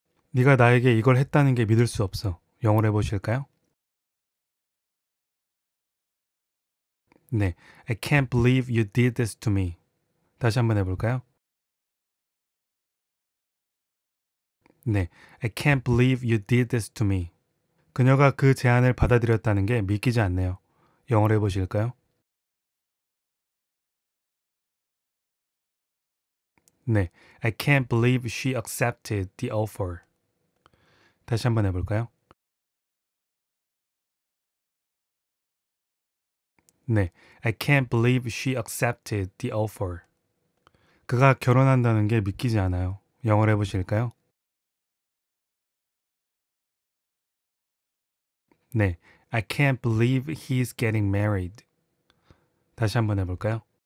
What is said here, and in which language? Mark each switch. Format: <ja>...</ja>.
<ko>네가 나에게 이걸 했다는 게 믿을 수 없어. 영어로 해보실까요?</ko> <en>네, I can't believe you did this to me.</en> <ko>다시 한번 해볼까요?</ko> <en>네, I can't believe you did this to me.</en> <ko>그녀가 그 제안을 받아들였다는 게 믿기지 않네요. 영어로 해보실까요?</ko> <en>네, I can't believe she accepted the offer.</en> <ko>다시 한번 해볼까요?</ko> <en>네, I can't believe she accepted the offer.</en> <ko>그가 결혼한다는 게 믿기지 않아요. 영어로 해보실까요?</ko> <en>네, I can't believe he's getting married.</en> <ko>다시 한번 해볼까요?</ko>